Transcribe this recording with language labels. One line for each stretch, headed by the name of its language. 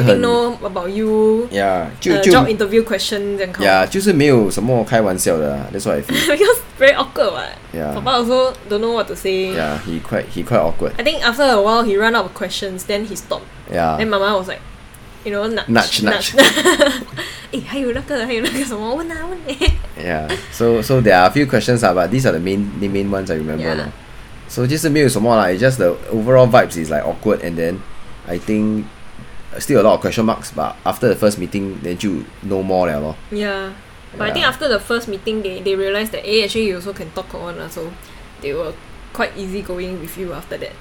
English: getting know about you, yeah, 就 job interview question 这样
Chinese: yeah, 就是没有什么开玩笑的
English: that's what I feel. Because very awkward what, yeah. Papa also don't know what to say, yeah, he quite awkward. I think after a while he ran out of questions, then he stopped, yeah. Then mama was like, you know, nudge.
Chinese: Eh, 还有那个什么问啊问 yeah.
English: So there are a few questions but these are the main ones I remember, yeah. So just maybe some more, it's just the overall vibes is like awkward, and then I think still a lot of question marks, but after the first meeting then you know more liao. Yeah. But I think after the first meeting they realize that actually you also can talk on, so they were quite easy going with you after that.